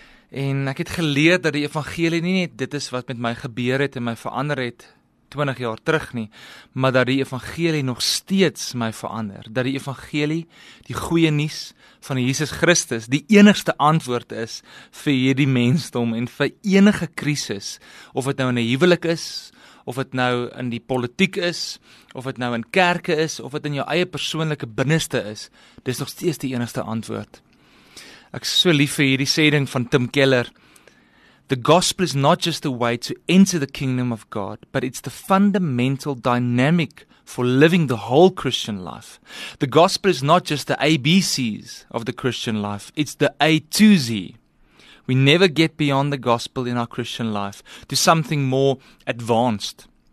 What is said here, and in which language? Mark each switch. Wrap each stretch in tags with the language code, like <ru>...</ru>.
<af>En ek het geleer dat die evangelie nie net dit is wat met my gebeur het en my verander het 20 jaar terug nie, maar dat die evangelie nog steeds my verander. Dat die evangelie, die goeie nuus van Jesus Christus, die enigste antwoord is vir hierdie mensdom en vir enige krisis, of het nou in 'n huwelik is, of het nou in die politiek is, of het nou in kerke is, of het in jou eie persoonlike binneste is, dis nog steeds die enigste antwoord. Ek is so lief vir hierdie sêding van Tim Keller.</af> <en>The gospel is not just the way to enter the kingdom of God, but it's the fundamental dynamic for living the whole Christian life. The gospel is not just the ABCs of the Christian life, it's the A to Z. We never get beyond the gospel in our Christian life to something more advanced.</en>